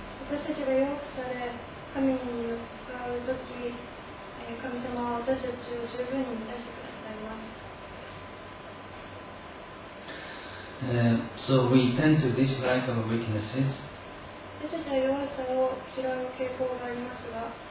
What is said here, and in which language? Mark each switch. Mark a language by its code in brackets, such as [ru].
[ja] 私たちが弱くされ、神に向かうとき、神様は私たちを十分に満たしてくださいます。 [en] So we tend to dislike our weaknesses. [ja] 私たちは弱さを嫌う傾向がありますが、